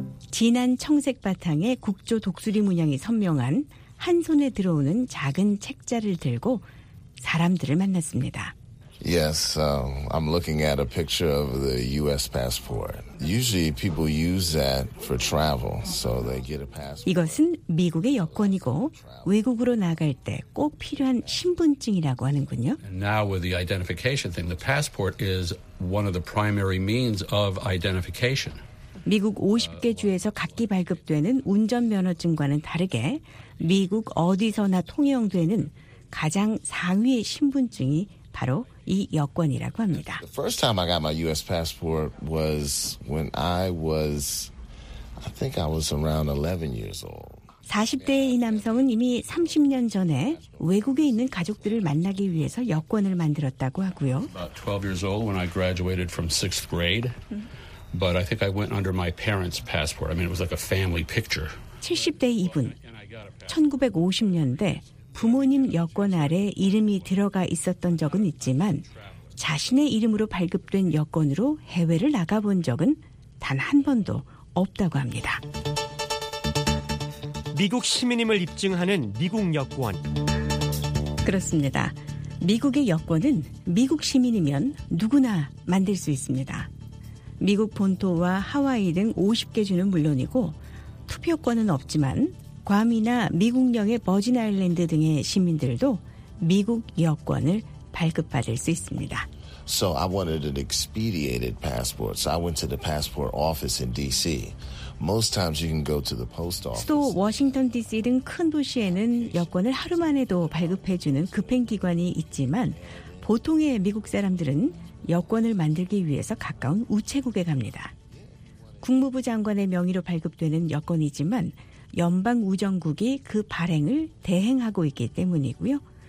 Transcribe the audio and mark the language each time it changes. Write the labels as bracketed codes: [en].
[ko] 진한 청색 바탕에 국조 독수리 문양이 선명한 한 손에 들어오는 작은 책자를 들고 사람들을 만났습니다. [en] Yes, I'm looking at a picture of the U.S. passport. Usually people use that for travel, so they get a passport. [ko] 이것은 미국의 여권이고 외국으로 나갈 때 꼭 필요한 신분증이라고 하는군요. [en] Now with the identification thing, the passport is one of the primary means of identification. [ko] 미국 50개 주에서 각기 발급되는 운전면허증과는 다르게 미국 어디서나 통용되는 가장 상위의 신분증이 바로 이 여권이라고 합니다. [en] The first time I got my U.S. passport was when I think I was around 11 years old. [ko] 40대의 이 남성은 이미 30년 전에 외국에 있는 가족들을 만나기 위해서 여권을 만들었다고 하고요. [en] About 12 years old when I graduated from 6th grade. But I think I went under my parents' passport. I mean, it was like a family picture. [ko] 70대 이분, 1950년대 부모님 여권 아래 이름이 들어가 있었던 적은 있지만 자신의 이름으로 발급된 여권으로 해외를 나가본 적은 단 한 번도 없다고 합니다. 미국 시민임을 입증하는 미국 여권. 그렇습니다. 미국의 여권은 미국 시민이면 누구나 만들 수 있습니다. 미국 본토와 하와이 등 50개 주는 물론이고 투표권은 없지만 괌이나 미국령의 버진아일랜드 등의 시민들도 미국 여권을 발급받을 수 있습니다. [en] So I wanted an expedited passport. So I went to the passport office in D.C. Most times you can go to the post office. [ko] 수도 워싱턴 D.C. 등 큰 도시에는 여권을 하루 만에도 발급해주는 급행기관이 있지만 보통의 미국 사람들은 여권을 만들기 위해서 가까운 우체국에 갑니다. 국무부 장관의 명의로 발급되는 여권이지만 연방 우정국이 그 발행을 대행하고 있기 때문이고요.